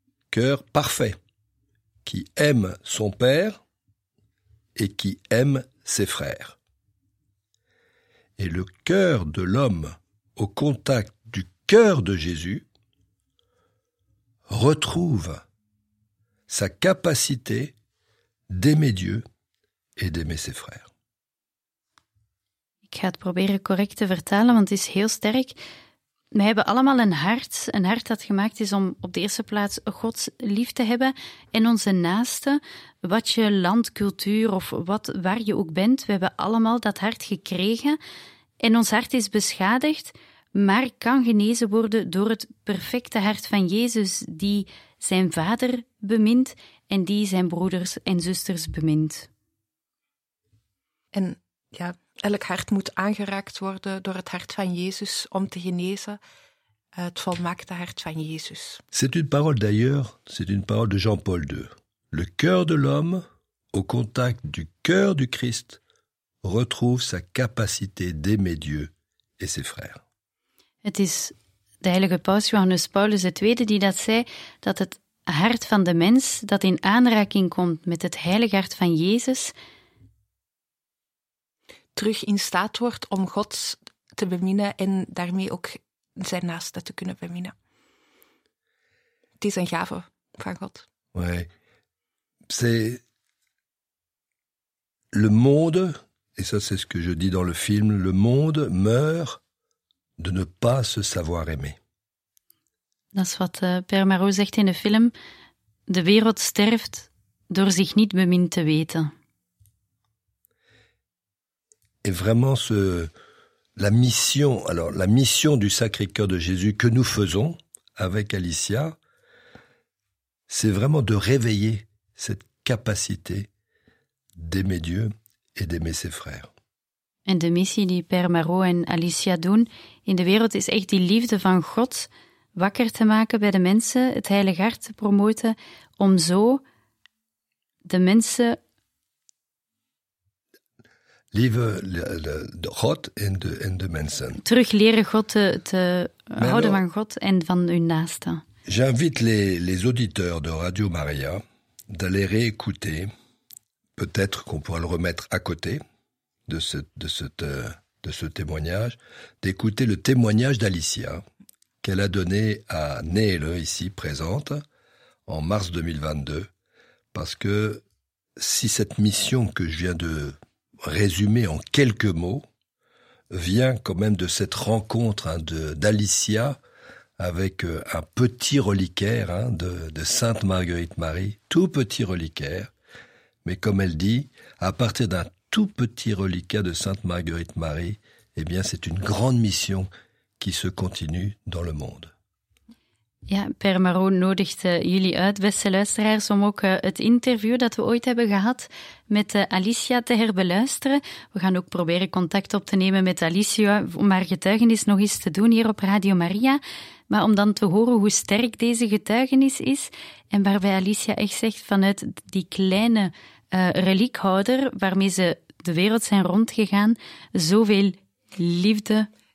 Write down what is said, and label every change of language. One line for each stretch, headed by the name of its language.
French: Cœur parfait, qui aime son père et qui aime ses frères. Et le cœur de l'homme, au contact du cœur de Jésus, retrouve sa capacité d'aimer Dieu et d'aimer ses frères.
Dutch: Ik ga het proberen correct te vertalen, want het is heel sterk. We hebben allemaal een hart dat gemaakt is om op de eerste plaats Gods lief te hebben en onze naaste, wat je land, cultuur of wat, waar je ook bent, we hebben allemaal dat hart gekregen en ons hart is beschadigd, maar kan genezen worden door het perfecte hart van Jezus die zijn vader bemint en die zijn broeders en zusters bemint. En ja... Elk hart moet aangeraakt worden door het hart van Jezus om te genezen, het volmaakte hart van Jezus.
French: C'est une parole d'ailleurs, c'est une parole de Jean-Paul II. Le cœur de l'homme, au contact du cœur du Christ, retrouve sa capacité d'aimer Dieu et ses frères.
Dutch: Het is de heilige paus Johannes Paulus II die dat zei, dat het hart van de mens dat in aanraking komt met het heilige hart van Jezus... terug in staat wordt om God te beminnen en daarmee ook zijn naaste te kunnen beminnen. Het is een gave van God.
French: Oui. C'est le monde, et ça c'est ce que je dis dans le film, le monde meurt de ne pas se savoir aimer.
Dutch: Dat is wat Père Marot zegt in de film. De wereld sterft door zich niet bemind te weten.
French: Et vraiment, la mission du Sacré-Cœur de Jésus que nous faisons avec Alicia, c'est vraiment de réveiller cette capacité d'aimer Dieu et d'aimer ses frères. Et la mission que Père Marot et Alicia font dans le monde est vraiment
Dutch: die liefde van God wakker te maken bij de mensen, het Heilige Hart te promoten, om zo de mensen. Liefde de God en de mensen. Terug leren God te houden van God en van hun naasten.
French: J'invite les auditeurs de Radio Maria d'aller réécouter. Peut-être qu'on pourra le remettre à côté de ce témoignage. D'écouter le témoignage d'Alicia qu'elle a donné à Néle, ici présente, en mars 2022. Parce que si cette mission que je viens de... résumé en quelques mots, vient quand même de cette rencontre d'Alicia avec un petit reliquaire de Sainte Marguerite Marie, tout petit reliquaire. Mais comme elle dit, à partir d'un tout petit reliquaire de Sainte Marguerite Marie, eh bien c'est une grande mission qui se continue dans le monde.
Dutch: Ja, Père Marot nodigt jullie uit, beste luisteraars, om ook het interview dat we ooit hebben gehad met Alicia te herbeluisteren. We gaan ook proberen contact op te nemen met Alicia om haar getuigenis nog eens te doen hier op Radio Maria. Maar om dan te horen hoe sterk deze getuigenis is en waarbij Alicia echt zegt vanuit die kleine reliekhouder waarmee ze de wereld zijn rondgegaan, zoveel liefde...